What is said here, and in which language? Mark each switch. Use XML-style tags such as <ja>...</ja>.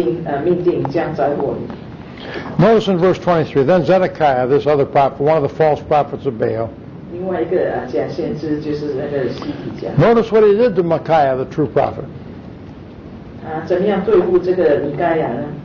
<zh>上帝已经命定降灾祸你。</zh> <en>Notice in verse 23, then Zedekiah, this other prophet, one of the false prophets of Baal.</en> <zh>另外一个假先知就是那个西底家。</zh> <en>Notice what he did to Micaiah, the true prophet.</en> <zh>怎么样对付这个米盖亚呢？</zh>